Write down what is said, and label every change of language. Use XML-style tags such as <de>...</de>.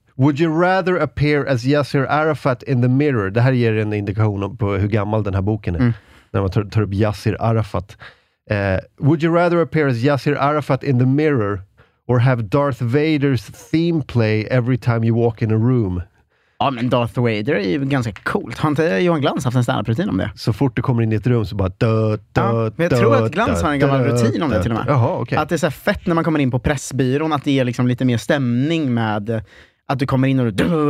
<en>Would you rather appear as Yasser Arafat in the mirror?</en> <sv>Det här ger en indikation på hur gammal den här boken är. Mm. När man tar upp Yasser Arafat.</sv> <en>Would you rather appear as Yasser Arafat in the mirror or have Darth Vader's theme play every time you walk in a room?</en> <sv>Ja, men Darth Vader är ju ganska coolt. Har inte Johan Glans haft en standardrutin om det? Så fort du kommer in i ett rum så bara... Jag tror att Glans har en gammal rutin om det till och med. Jaha, okej. Okay. Att det är så här fett när man kommer in på pressbyrån, att det ger liksom lite mer stämning med... Att du kommer in och du.</sv>